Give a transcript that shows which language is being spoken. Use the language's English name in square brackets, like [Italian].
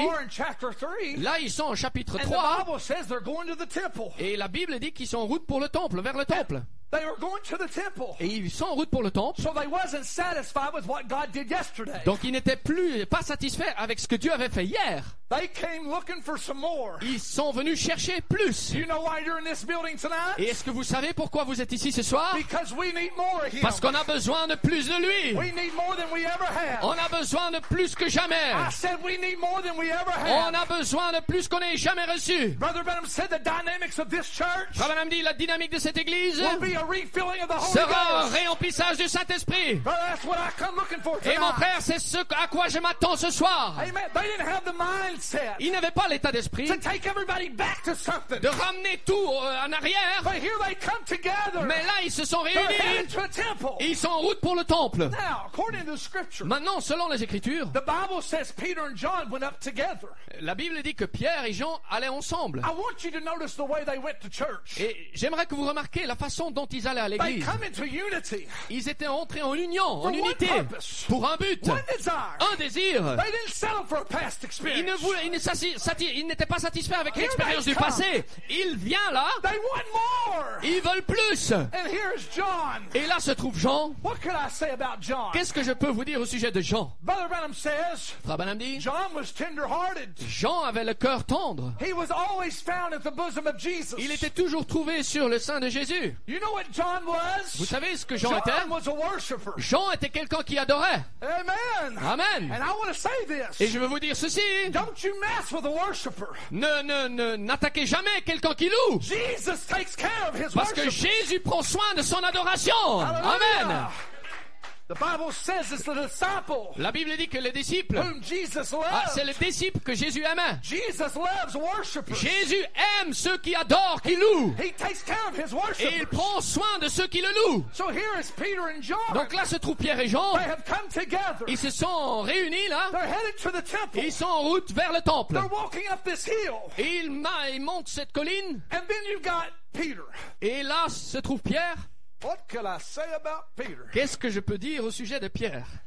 [English] Here they are in chapter 3. [French] Là, ils sont en chapitre 3. [English] And the Bible says they're going to the temple. [French] Et la Bible dit qu'ils sont en route pour le temple, vers le temple. [English] They were going to the temple. [French] Et ils sont en route pour le temple. [English] So they wasn't satisfied with what God did yesterday. [French] Donc ils n'étaient pas satisfaits avec ce que Dieu avait fait hier. [English] They came looking for some more. [French] Ils sont venus chercher plus. [English] Do you know why you're in this building tonight? [French] Et est-ce que vous savez pourquoi vous êtes ici ce soir? [English] Because we need more of him. [French] Parce qu'on a besoin de plus de lui. [English] We need more than we ever have. [French] On a besoin de plus que jamais. [English] I said we need more than we ever have. [French] On a besoin de plus qu'on n'ait jamais reçu. [English] Brother Branham said the dynamics of this church. [French] Brother Branham dit la dynamique de cette église. [English] Will be a refilling of the Holy Ghost. [French] Sera un réemplissage du Saint-Esprit. [English] Brother, that's what I come looking for tonight. [French] Et mon frère, c'est ce à quoi je m'attends ce soir. Amen. [English] They didn't have the mind. [French] Ils n'avaient pas l'état d'esprit de ramener tout en arrière. [English] But here they come together. [French] Mais là, ils se sont réunis. Ils sont en route pour le temple. [English] Now, according to the scripture, [French] maintenant, selon les Écritures, [English] the Bible says Peter and John went up together. [French] La Bible dit que Pierre et Jean allaient ensemble. [English] I want you to notice the way they went to church. [French] Et j'aimerais que vous remarquiez la façon dont ils allaient à l'église. [English] They come into unity. [French] Ils étaient entrés en union, [English] for [French] en unité, [English] one purpose, [French] pour un but, [English] one desire. [French] Un désir. [English] They didn't settle for a past experience. [French] Ils n'étaient pas satisfaits avec l'expérience du passé. Il vient là. [English] They want more. [French] Ils veulent plus. [English] And here's John. [French] Et là se trouve Jean. [English] What can I say about John? [French] Qu'est-ce que je peux vous dire au sujet de Jean? [English] Brother Branham says, [French] Frère Branham dit, [English] John was tender-hearted. [French] Jean avait le cœur tendre. [English] He was always found at the bosom of Jesus. [French] Il était toujours trouvé sur le sein de Jésus. [English] You know what John was? [French] Vous savez ce que Jean John était? [English] Was a worshiper. [French] Jean était quelqu'un qui adorait. Amen. Amen. [English] And I want to say this. [French] Et je veux vous dire ceci. [English] Don't you mess with a worshipper. [French] N'attaquez jamais quelqu'un qui loue. [English] Jesus takes care of his worship. [French] Parce que Jésus prend soin de son adoration. Hallelujah. Amen. [English] The Bible says it's the disciple. [French] La Bible dit que les disciples. [English] Whom Jesus loved. [French] Ah, c'est les disciples que Jésus aimait. [English] Jesus loves worshipers. [French] Jésus aime ceux qui adorent, qui louent. [English] He takes care of his worshipers. [French] Et il prend soin de ceux qui le louent. [English] So here is Peter and John. [French] Donc là se trouvent Pierre et Jean. [English] They have come together. [French] Ils se sont réunis là. [English] They're headed to the temple. [French] Ils sont en route vers le temple. [English] They're walking up this hill. [French] Et ils montent cette colline. [English] And then you've got Peter. [French] Et là se trouve Pierre. [English] What can I say about Peter? [French] Qu'est-ce que je peux dire au sujet de Pierre?